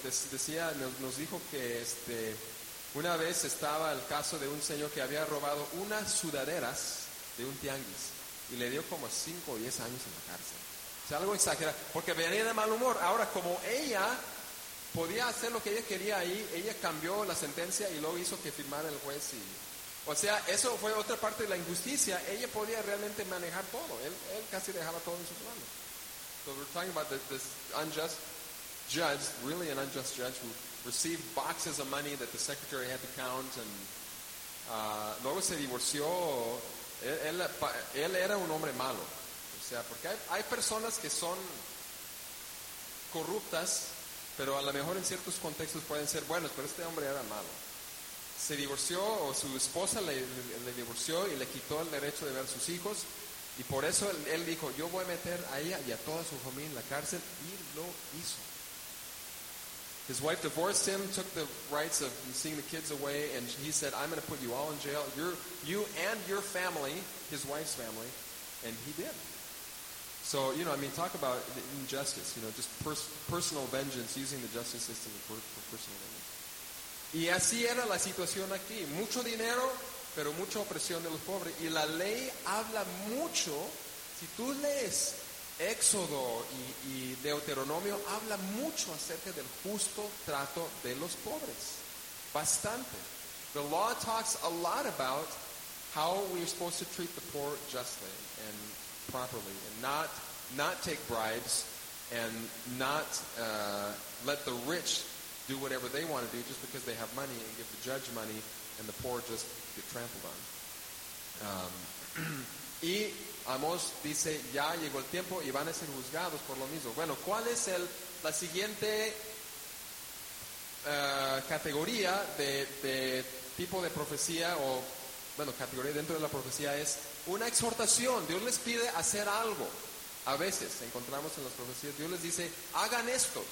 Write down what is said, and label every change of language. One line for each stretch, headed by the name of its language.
Spanish: Decía, nos dijo que una vez estaba el caso de un señor que había robado unas sudaderas de un tianguis y le dio como 5 o 10 años en la cárcel. O sea, algo exagerado, porque venía de mal humor. Ahora, como ella podía hacer lo que ella quería ahí, ella cambió la sentencia y luego hizo que firmara el juez. O sea, eso fue otra parte de la injusticia. Ella podía realmente manejar todo. Él casi dejaba todo en sus manos.
English: So we're talking about this unjust judge, really an unjust judge who received boxes of money that the secretary had to count, and
Spanish: luego se divorció. Él era un hombre malo. O sea, porque hay personas que son corruptas, pero a lo mejor en ciertos contextos pueden ser buenos, pero este hombre era malo. Se divorció, o su esposa le divorció y le quitó el derecho de ver a sus hijos, y por eso él dijo, yo voy a meter a ella y a toda su familia en la cárcel, y lo hizo.
English: His wife divorced him, took the rights of seeing the kids away, and he said, I'm going to put you all in jail, you and your family, his wife's family, and he did. So, you know, I mean, talk about injustice, you know, just personal vengeance, using the justice system for personal vengeance.
Spanish: Y así era la situación aquí. Mucho dinero, pero mucha opresión de los pobres. Y la ley habla mucho, si tú lees Éxodo y Deuteronomio, habla mucho acerca del justo trato de los pobres. Bastante.
English: The law talks a lot about how we're supposed to treat the poor justly and properly, and not take bribes, and not let the rich do whatever they want to do just because they have money, and give the judge money, and the poor just get trampled on.
Spanish: Y Amos dice, ya llegó el tiempo y van a ser juzgados por lo mismo. Bueno, ¿cuál es la siguiente categoría de tipo de profecía, o bueno, categoría dentro de la profecía? Es una exhortación. Dios les pide hacer algo. A veces encontramos en las profecías, Dios les dice, hagan esto.